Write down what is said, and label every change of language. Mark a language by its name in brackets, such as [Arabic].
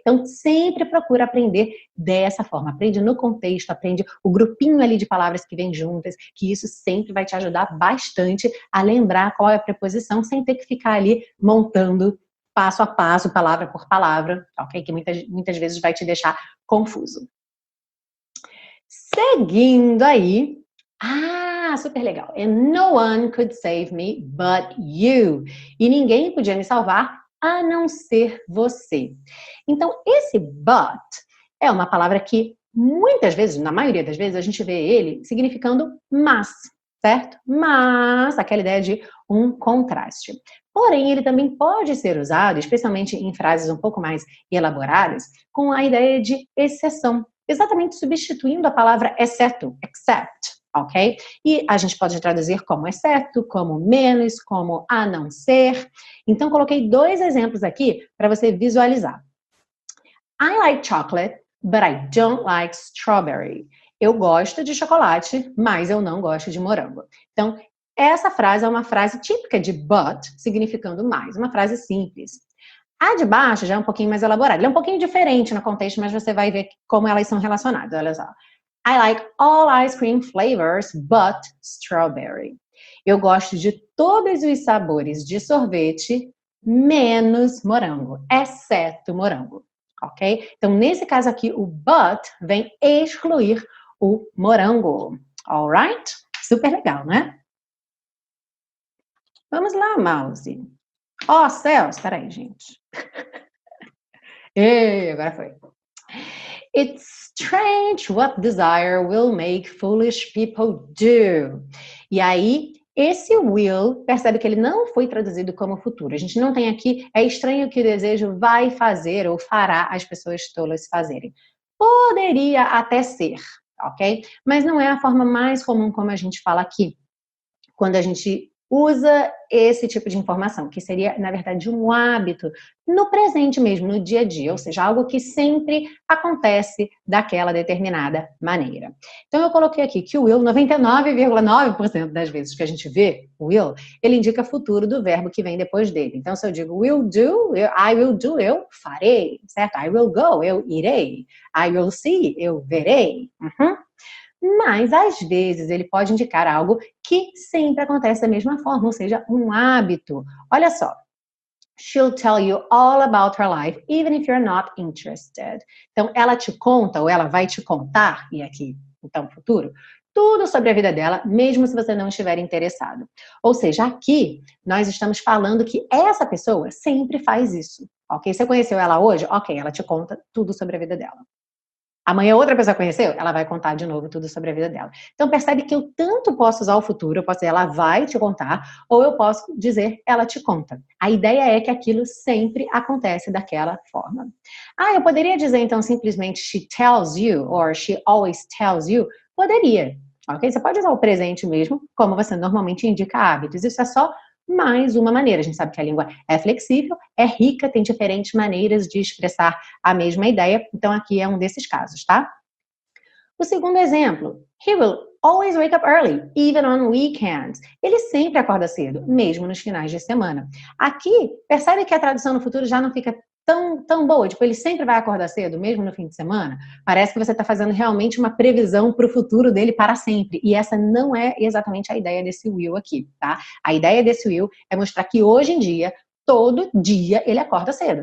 [Portuguese] Então, sempre procura aprender dessa forma. Aprende no contexto, aprende o grupinho ali de palavras que vem juntas, que isso sempre vai te ajudar bastante a lembrar qual é a preposição, sem ter que ficar ali montando passo a passo, palavra por palavra, ok? Que muitas vezes vai te deixar confuso. Seguindo aí... Ah, super legal. [English] And no one could save me but you. [Portuguese] E ninguém podia me salvar a não ser você. Então, esse but é uma palavra que muitas vezes, na maioria das vezes, a gente vê ele significando mas, certo? Mas, aquela ideia de um contraste. Porém, ele também pode ser usado, especialmente em frases um pouco mais elaboradas, com a ideia de exceção. Exatamente substituindo a palavra exceto, except, ok? E a gente pode traduzir como exceto, como menos, como a não ser. Então, coloquei dois exemplos aqui para você visualizar. [English] I like chocolate, but I don't like strawberry. [Portuguese] Eu gosto de chocolate, mas eu não gosto de morango. Então, essa frase é uma frase típica de but, significando mais, uma frase simples. A de baixo já é um pouquinho mais elaborada. Ela é um pouquinho diferente no contexto, mas você vai ver como elas são relacionadas. Olha só. [English] I like all ice cream flavors but strawberry. [Portuguese] Eu gosto de todos os sabores de sorvete menos morango, exceto morango. Ok? Então, nesse caso aqui, o but vem excluir o morango. Alright? Super legal, né? Vamos lá, mouse. Ó, céus, peraí, gente. Ei, agora foi. [English] It's strange what desire will make foolish people do. [Portuguese] E aí, esse will, percebe que ele não foi traduzido como futuro. A gente não tem aqui, é estranho que o desejo vai fazer ou fará as pessoas tolas fazerem. Poderia até ser, ok? Mas não é a forma mais comum como a gente fala aqui. Quando a gente... usa esse tipo de informação, que seria, na verdade, um hábito no presente mesmo, no dia a dia, ou seja, algo que sempre acontece daquela determinada maneira. Então, eu coloquei aqui que o will, 99,9% das vezes que a gente vê will, ele indica futuro do verbo que vem depois dele. Então, se eu digo will do, [English] I will do, [Portuguese] eu farei, certo? [English] I will go, [Portuguese] eu irei. [English] I will see, [Portuguese] eu verei. Uhum. Mas, às vezes, ele pode indicar algo que sempre acontece da mesma forma, ou seja, um hábito. Olha só. [English] She'll tell you all about her life, even if you're not interested. [Portuguese] Então, ela te conta, ou ela vai te contar, e aqui, então, futuro, tudo sobre a vida dela, mesmo se você não estiver interessado. Ou seja, aqui, nós estamos falando que essa pessoa sempre faz isso. Ok? Você conheceu ela hoje? Ok, ela te conta tudo sobre a vida dela. Amanhã outra pessoa conheceu, ela vai contar de novo tudo sobre a vida dela. Então percebe que eu tanto posso usar o futuro, eu posso dizer ela vai te contar, ou eu posso dizer ela te conta. A ideia é que aquilo sempre acontece daquela forma. Ah, eu poderia dizer então simplesmente [English] she tells you, or she always tells you? [Portuguese] Poderia, ok? Você pode usar o presente mesmo, como você normalmente indica hábitos, isso é só... mais uma maneira. A gente sabe que a língua é flexível, é rica, tem diferentes maneiras de expressar a mesma ideia. Então, aqui é um desses casos, tá? O segundo exemplo. [English] He will always wake up early, even on weekends. [Portuguese] Ele sempre acorda cedo, mesmo nos finais de semana. Aqui, percebe que a tradução no futuro já não fica tão boa. Tipo, ele sempre vai acordar cedo, mesmo no fim de semana. Parece que você está fazendo realmente uma previsão para o futuro dele para sempre. E essa não é exatamente a ideia desse will aqui, tá? A ideia desse will é mostrar que hoje em dia, todo dia, ele acorda cedo.